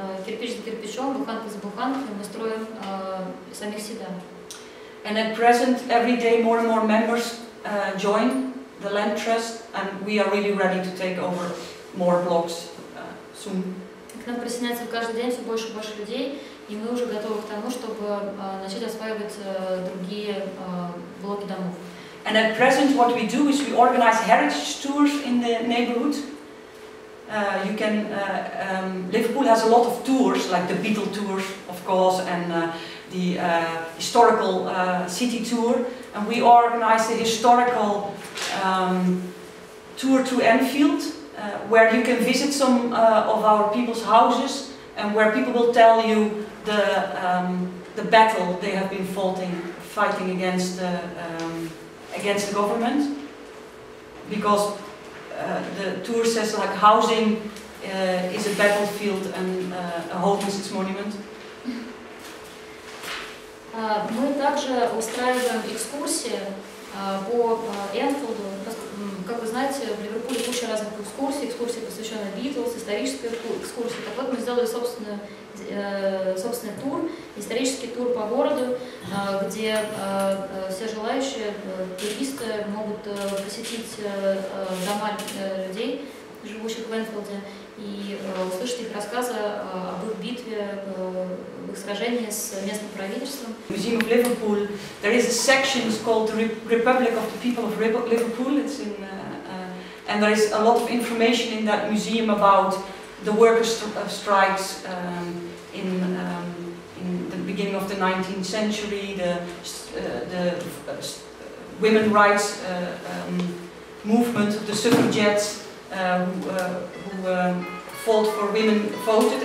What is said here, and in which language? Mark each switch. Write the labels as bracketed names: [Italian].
[Russian] Кирпич за кирпичом, буханка за буханкой, мы строим самих себя. [English] And at present, every day more and more members join the land trust, and we are really ready to take over more blocks soon. [Russian] К нам присоединяется каждый день все больше и больше людей. И мы уже готовы к тому, чтобы начать осваивать другие блоки домов. [English] And at present what we do is we organize heritage tours in the neighborhood. You can Liverpool has a lot of tours, like the Beetle tours, of course, and the historical city tour. And we organize a historical tour to Anfield, where you can visit some of our people's houses and where people will tell you the battle they have been fighting against against the government, because the tour says like housing is a battlefield and a home is its monument. [Russian] Мы также устраиваем экскурсии по Энфилду. Как вы знаете, в Ливерпуле куча разных экскурсий, экскурсии, посвященные Битлз, исторические экскурсии. Так вот, мы сделали собственный тур, исторический тур по городу, где все желающие туристы могут посетить дома людей, живущих в Энфилде, и услышать их рассказы об их битве, об их сражении с местным правительством. В музее в Ливерпуле [English] there is a section called the Republic of the People of Liverpool. It's in and there is a lot of information in that museum about the workers strikes in the beginning of the 19th century, the women rights movement, the suffragettes who fought for women voted.